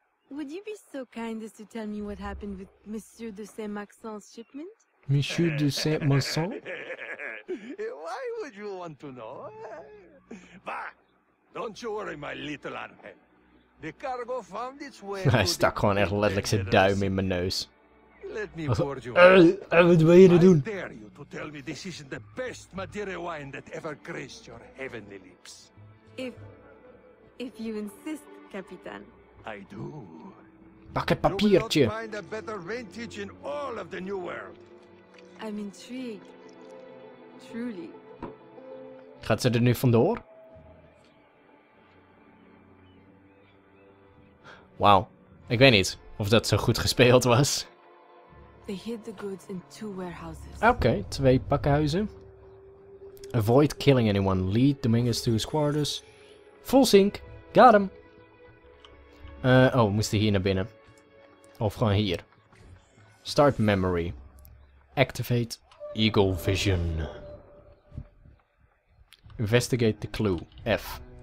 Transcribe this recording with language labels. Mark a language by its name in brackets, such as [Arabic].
[English] Would you be so kind as to tell me what happened with Monsieur de Saint-Maxent's shipment? Monsieur de Saint-Maxent? Why would you want to know? Bah! Don't you worry, my little Angel. The cargo found its way. [Dutch] Hij stak gewoon echt letterlijk zijn duim in mijn neus. [English] Let me board you. [Dutch] Wat wil je er doen? [English] I dare you to tell me this isn't the best material wine that ever graced your heavenly lips. If you insist, Capitán. I do. Pak het papiertje. You will not find a better vintage in all of the new world. I'm intrigued. Truly. [Dutch] Gaat ze er nu vandoor? Wauw. Ik weet niet of dat zo goed gespeeld was. [English] They hid the goods in two warehouses. [Dutch] Oké, twee pakhuizen. [English] Avoid killing anyone. Lead Dominguez to his quarters. Full sync. Got him. [Dutch] We moesten hier naar binnen. Of gewoon hier. [English] Start memory. Activate Eagle Vision. Investigate the clue. F.